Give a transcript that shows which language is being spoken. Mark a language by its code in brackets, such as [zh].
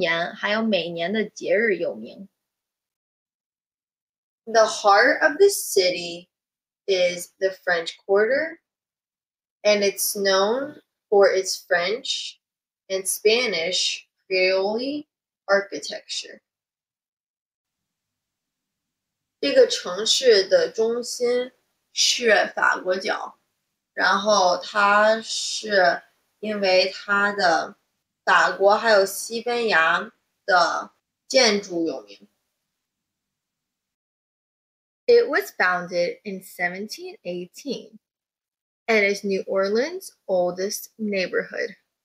[zh] 这个城市以它有特色的音乐、饮食、方言，还有每年的节日有名. [en] The heart of the city is the French Quarter, and it's known for its French and Spanish Creole architecture. [zh] 这个城市的中心是法国角，然后它是因为它的法国还有西班牙的建筑有名. [en] It was founded in 1718 and is New Orleans' oldest neighborhood.